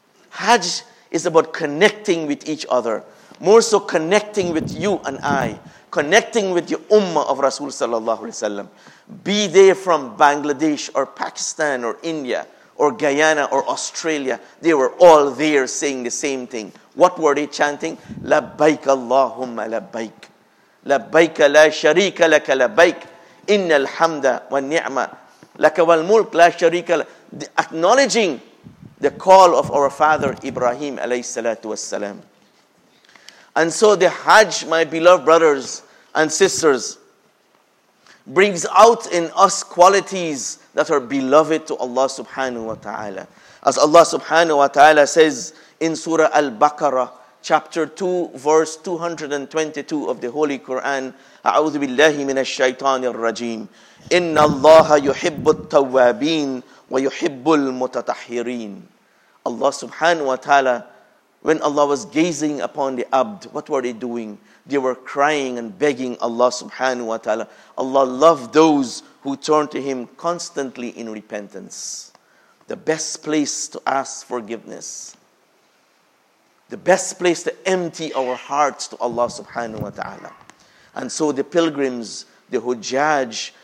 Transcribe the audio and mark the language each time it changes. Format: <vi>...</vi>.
<en>Hajj is about connecting with each other, more so connecting with you and I, connecting with the ummah of Rasul sallallahu alaihi wasallam. Be they from Bangladesh or Pakistan or India or Guyana or Australia, they were all there saying the same thing. What were they chanting? Labbaik Allahumma labbaik.</en> <ar>لبيك لا شريك لك لبيك إن الحمد والنعمة لك والملك لا شريك لك.</ar> <en>Acknowledging the call of our father Ibrahim alayhi salatu wassalam. And so the Hajj, my beloved brothers and sisters, brings out in us qualities that are beloved to Allah subhanahu wa ta'ala. As Allah subhanahu wa ta'ala says in Surah Al-Baqarah, Chapter 2, verse 222 of the Holy Quran.</en> <ar>أعوذ بالله من الشيطان الرجيم. إن الله يحب التوابين ويحب المتطهرين.</ar> <en>Allah subhanahu wa ta'ala, when Allah was gazing upon the abd, what were they doing? They were crying and begging Allah subhanahu wa ta'ala. Allah loved those who turned to Him constantly in repentance. The best place to ask forgiveness. The best place to empty our hearts to Allah subhanahu wa ta'ala. And so the pilgrims, the hujjaj,</en>